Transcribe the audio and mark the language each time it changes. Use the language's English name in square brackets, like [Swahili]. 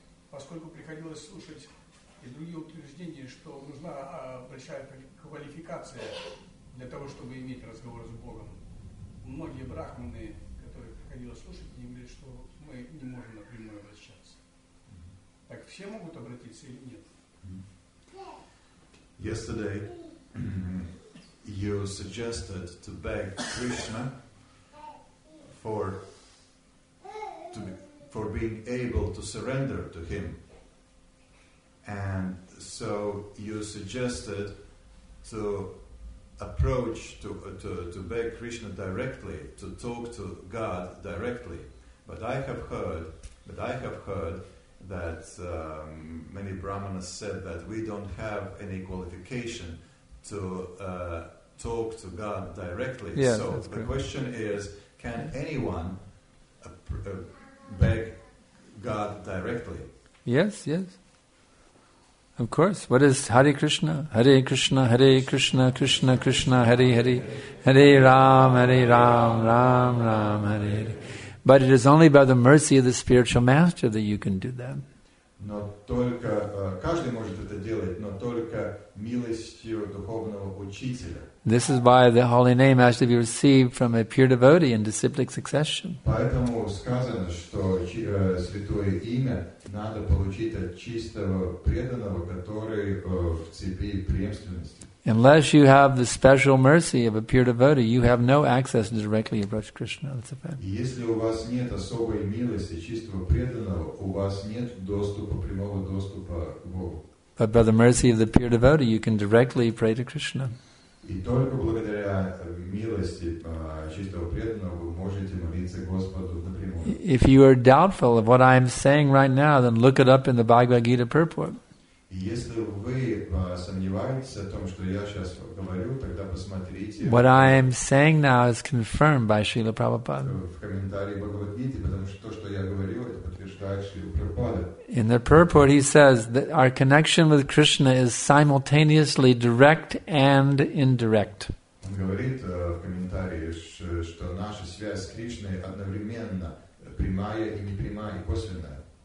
[Russian] Поскольку приходилось слушать и другие утверждения, что нужна большая квалификация для того, чтобы иметь разговор с Богом. Многие брахманы, которые приходилось слушать, не говорят, что мы не можем напрямую обращаться. Так все могут обратиться или нет? [English] Yesterday you suggested to beg Krishna for being able to surrender to him, and so you suggested to approach to beg Krishna directly, to talk to God directly. But I have heard that many brahmanas said that we don't have any qualification to talk to God directly. Yes, so the correct. Question is, can anyone beg God directly? Yes, yes. Of course. What is Hare Krishna? [Sanskrit] Hare Krishna, Hare Krishna, Krishna Krishna, Hare Hare. Hare Ram, Hare Ram, Ram Ram, Hare Hare. [English] But it is only by the mercy of the spiritual master that you can do that. [Russian] Но только каждый может это делать, но только милостью духовного учителя. [English] This is why the holy name has to be received from a pure devotee in disciplic succession. [Russian] Поэтому сказано, что святое имя надо получить от чистого преданного, который в цепи преемственности. [English] Unless you have the special mercy of a pure devotee, you have no access to directly approach Krishna. That's a fact. [Russian] Если у вас нет особой милости чистого преданного, у вас нет прямого доступа к Богу. [English] But by the mercy of the pure devotee, you can directly pray to Krishna. [Russian] И только благодаря милости чистого преданного вы можете молиться Господу напрямую. [English] If you are doubtful of what I am saying right now, then look it up in the Bhagavad Gita purport. [Russian] Если вы сомневаетесь о том, что я сейчас говорю, тогда посмотрите. [English] What I am saying now is confirmed by Srila Prabhupada. [Russian] В комментарии Бхагавад Гиты, потому что то, что я говорю, это подтверждает Шрила Прабхупада. [English] In the purport he says that our connection with Krishna is simultaneously direct and indirect. [Russian] Он говорит в комментарии, что наша связь с Кришной одновременно прямая и непрямая и косвенная.